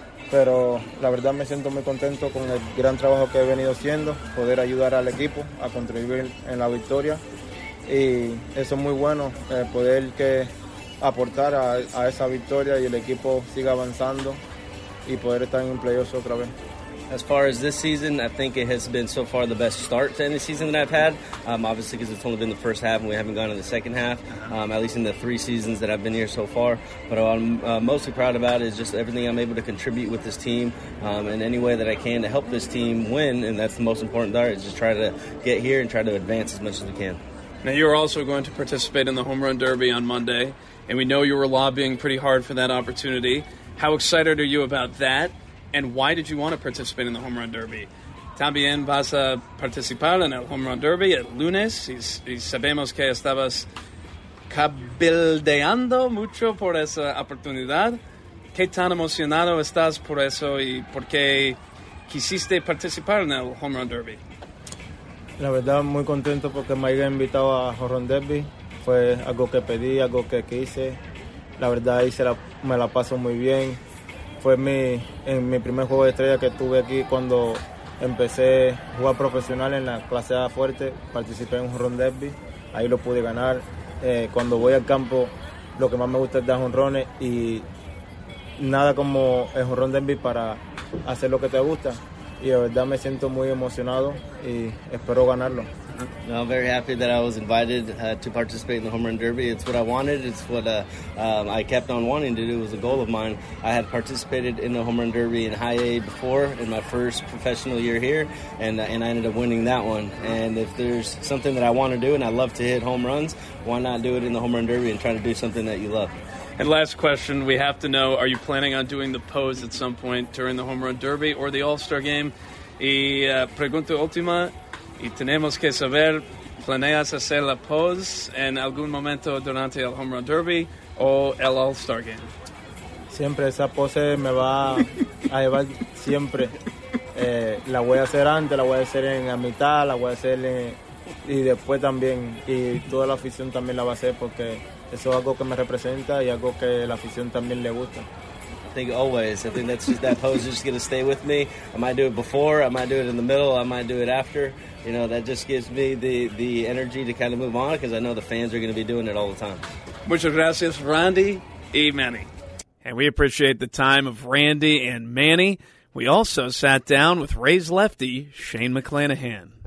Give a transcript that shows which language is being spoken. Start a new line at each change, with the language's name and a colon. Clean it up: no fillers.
Spanish: Pero la verdad me siento muy contento con el gran trabajo que he venido haciendo, poder ayudar al equipo a contribuir en la victoria. Y eso es muy bueno, poder que aportar a esa victoria y el equipo siga avanzando y poder estar en un playoff otra vez.
English: As far as this season, I think it has been so far the best start to any season that I've had. Obviously, because it's only been the first half and we haven't gone to the second half, at least in the three seasons that I've been here so far. But what I'm mostly proud about is just everything I'm able to contribute with this team in any way that I can to help this team win. And that's the most important part, is just try to get here and try to advance as much as we can. Now, you're also going to participate in the Home Run Derby on Monday. And we know you were lobbying pretty hard for that opportunity. How excited are you about that? And why did you want to participate in the Home Run Derby?
Spanish: También vas a participar en el Home Run Derby el lunes. Y sabemos que estabas cabildeando mucho por esa oportunidad. ¿Qué tan emocionado estás por eso y por qué quisiste participar en el Home Run Derby? La verdad, muy contento porque me hayan invitado a Home Run Derby. Fue algo que pedí, algo que quise. La verdad, ahí me la paso muy bien. Fue mi primer juego de estrella que tuve aquí cuando empecé a jugar profesional en la clase A fuerte. Participé en un home run derby, ahí lo pude ganar. Cuando voy al campo, lo que más me gusta es dar jonrones, y nada como el home run derby para hacer lo que te gusta. Y de verdad me siento muy emocionado y espero ganarlo.
English: No, I'm very happy that I was invited to participate in the Home Run Derby. It's what I wanted. It's what I kept on wanting to do. It was a goal of mine. I had participated in the Home Run Derby in High A before, in my first professional year here, and I ended up winning that one. And if there's something that I want to do and I love to hit home runs, why not do it in the Home Run Derby and try to do something that you love? And last question, we have to know, are you planning on doing the pose at some point during the Home Run Derby or the All-Star Game?
Spanish: Y pregunta última. Y tenemos que saber, ¿planeas hacer la pose en algún momento durante el Home Run Derby o el All-Star Game? Siempre esa pose me va a llevar siempre. La voy a hacer antes, la voy a hacer en la mitad, la voy a hacer y después también, y toda la afición también la va a hacer, porque eso es algo que me representa y algo que la afición también le gusta.
English: I think always. I think that's just, that pose is just going to stay with me. I might do it before, I might do it in the middle, I might do it after. You know, that just gives me the energy to kind of move on, because I know the fans are going to be doing it all the time.
Spanish: Muchas gracias, Randy y Manny.
English: And we appreciate the time of Randy and Manny. We also sat down with Rays lefty Shane McClanahan.